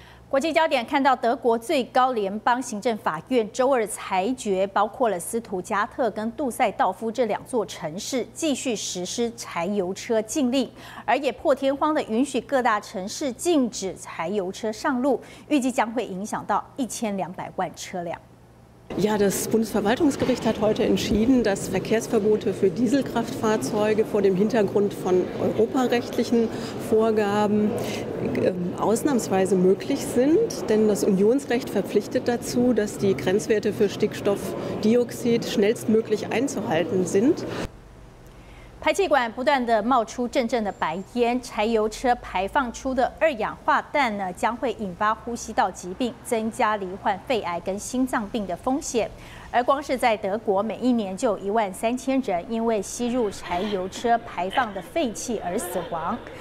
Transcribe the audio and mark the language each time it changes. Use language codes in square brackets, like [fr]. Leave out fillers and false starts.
[zh] 国际焦点看到德国最高联邦行政法院周二裁决，包括了斯图加特跟杜塞道夫这两座城市继续实施柴油车禁令，而也破天荒的允许各大城市禁止柴油车上路，预计将会影响到1200万车辆。 [de] Ja, das Bundesverwaltungsgericht hat heute entschieden, dass Verkehrsverbote für Dieselkraftfahrzeuge vor dem Hintergrund von europarechtlichen Vorgaben ausnahmsweise möglich sind. Denn das Unionsrecht verpflichtet dazu, dass die Grenzwerte für Stickstoffdioxid schnellstmöglich einzuhalten sind. [zh] 排气管不断的冒出阵阵的白烟，柴油车排放出的二氧化氮呢，将会引发呼吸道疾病，增加罹患肺癌跟心脏病的风险。而光是在德国，每一年就有13000人因为吸入柴油车排放的废气而死亡。